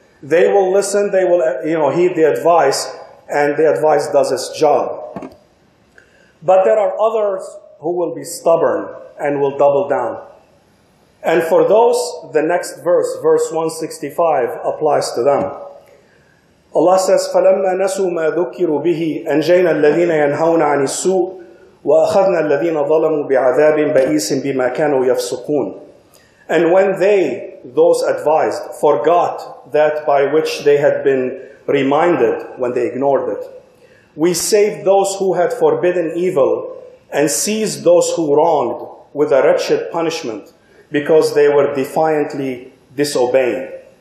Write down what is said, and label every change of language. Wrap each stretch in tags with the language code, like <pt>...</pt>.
<en>They will listen, they will, you know, heed the advice, and the advice does its job. But there are others who will be stubborn and will double down. And for those, the next verse, verse 165, applies to them. Allah says,</en> <ar>فَلَمَّا نَسُوا مَا ذُكِّرُوا بِهِ أَنْجَيْنَا الَّذِينَ يَنْهَوْنَ عَنِ السُّوءِ وَأَخَذْنَا الَّذِينَ ظَلَمُوا بِعَذَابٍ بَئِيسٍ بِمَا كَانُوا يَفْسُقُونَ.</ar> <en>And when they, those advised, forgot that by which they had been reminded when they ignored it, we saved those who had forbidden evil and seized those who wronged with a wretched punishment because they were defiantly disobeying.</en>